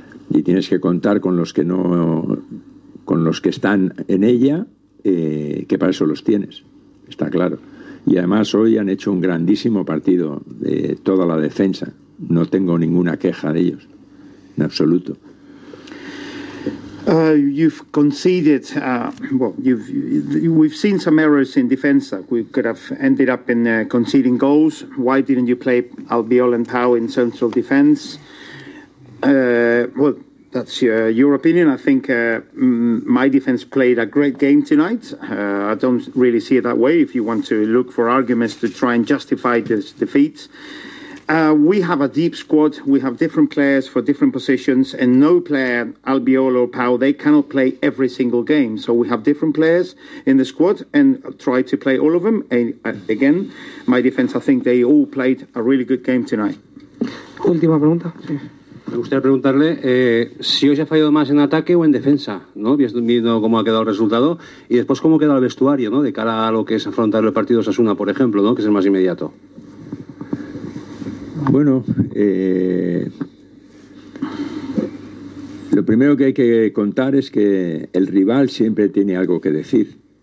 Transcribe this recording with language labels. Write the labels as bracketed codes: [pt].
[es] Y tienes que contar con los que no, con los que están en ella, que para eso los tienes, está claro. Y además hoy han hecho un grandísimo partido de toda la defensa. No tengo ninguna queja de ellos, en absoluto. [en] You've conceded. We've seen some errors in defense that we could have ended up in conceding goals. Why didn't you play Albiol and Pau in central defense? Well, that's your opinion. I think my defense played a great game tonight. I don't really see it that way. If you want to look for arguments to try and justify this defeat. We have a deep squad. We have different players for different positions, and no player, Albiol or Pau, they cannot play every single game. So we have different players in the squad and try to play all of them. And again, my defense, I think they all played a really good game tonight. [es] Última pregunta. Sí. Me gustaría preguntarle si hoy se ha fallado más en ataque o en defensa, ¿no? Viendo cómo ha quedado el resultado y después cómo queda el vestuario, ¿no? De cara a lo que es afrontar el partido Osasuna, por ejemplo, ¿no? Que es el más inmediato. Bueno, lo primero que hay que contar es que el rival siempre tiene algo que decir.